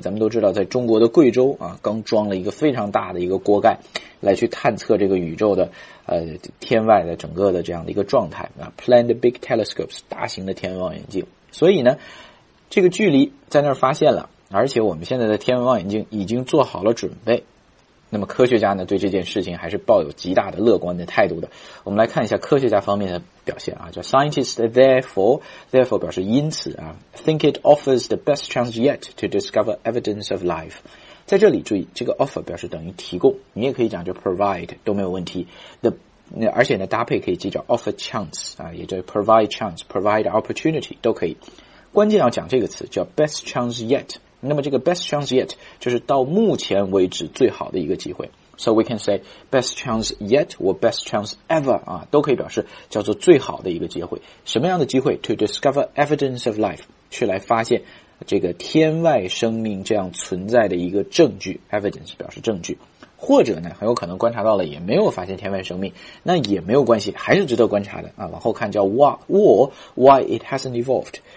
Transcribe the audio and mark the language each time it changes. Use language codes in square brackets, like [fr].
[zh] 咱们都知道在中国的贵州啊，刚装了一个非常大的一个锅盖来去探测这个宇宙的天外的整个的这样的一个状态啊。 [en] planned big telescopes, [zh] 大型的天文望远镜。所以呢这个距离在那儿发现了，而且我们现在的天文望远镜已经做好了准备。那么科学家呢对这件事情还是抱有极大的乐观的态度的。 [en] 我们来看一下科学家方面的表现啊，叫 scientists therefore [zh] 表示因此啊 [en] think it offers the best chance yet to discover evidence of life。 [zh] 在这里注意这个 offer 表示等于提供，你也可以讲就 provide 都没有问题。 The, 而且呢搭配可以记叫 [en] offer chance, [zh] 啊也就是 [en] provide chance, provide opportunity, [zh] 都可以。关键要讲这个词叫 [en] best chance yet。 [zh] 那么这个 best chance yet 就是到目前为止最好的一个机会。 [en] So we can say best chance yet or best chance ever, [zh] 啊都可以表示叫做最好的一个机会。什么样的机会 ? [en] To discover evidence of life, [zh] 去来发现这个天外生命这样存在的一个证据 ,evidence 表示证据。或者呢很有可能观察到了也没有发现天外生命，那也没有关系，还是值得观察的啊，往后看叫 [en] why it hasn't evolved。